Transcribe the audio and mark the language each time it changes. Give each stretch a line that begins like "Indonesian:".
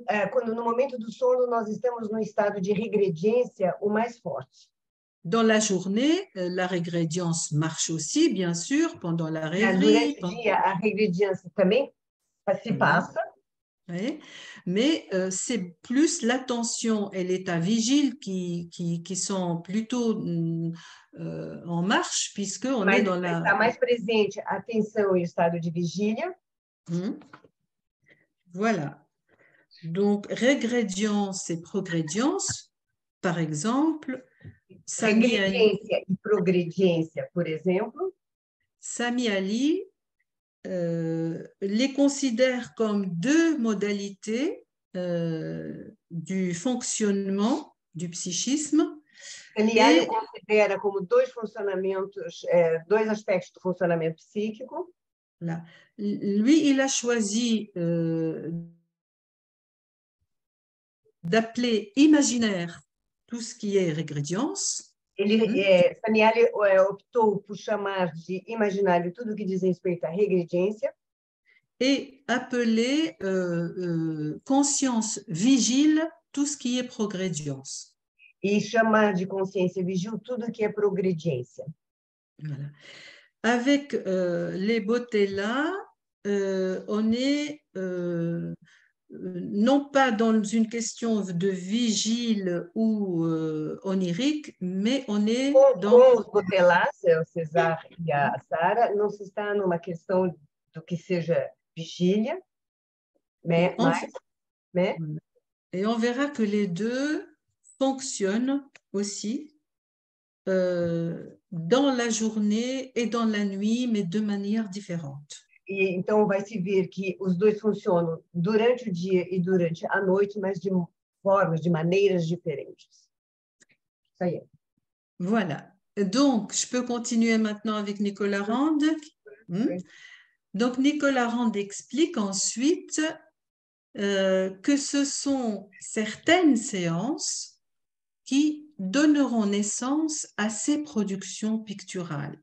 Portuguese: Quando no momento do sono nós estamos no estado de regrediência o mais forte.
French: Dans la journée, la régrédience marche aussi, bien sûr, pendant la rêverie.
Portuguese: Durante o dia, a régrédience também se passa.
French: Oui. Mais c'est plus l'attention et l'état vigile qui sont plutôt en marche, puisqu'on est dans
Portuguese: Está
French: la.
Portuguese: mais presente a atenção e o estado de vigília.
French: Voilà. Donc, régrédience et progrédience, par exemple,
Portuguese: Regrediência e progrediência, por exemplo.
French: Sami Ali les considère comme deux modalités du fonctionnement du psychisme Eliane et
Portuguese: considera como dois funcionamentos, dois aspectos do funcionamento psíquico.
French: là. Lui, il a choisi d'appeler imaginaire tout ce qui est régrédience.
Portuguese: Ele, Samiele, optou por chamar de imaginário tudo o que diz respeito à regredência.
French: Et appeler conscience vigile tout ce qui est progrédience.
Portuguese: E chamar de consciência vigil tudo o que é progrediência.
French: Voilà. Avec les Botella, on est non pas dans une question de vigile ou onirique, mais on est dans
Portuguese: Com os Botelás, o César e a Sara, não se está numa questão do que seja vigília, né? Mas, né?
French: Et on verra que les deux fonctionnent aussi dans la journée et dans la nuit, mais de manière différente.
Portuguese: E então vai se ver que os dois funcionam durante o dia e durante a noite, mas de formas, de maneiras diferentes. Isso aí.
French: Voilà. Donc, je peux continuer maintenant avec Nicolas Rand. Donc, Nicolas Rand explique ensuite. Que ce sont certaines séances qui donneront naissance à ces productions picturales.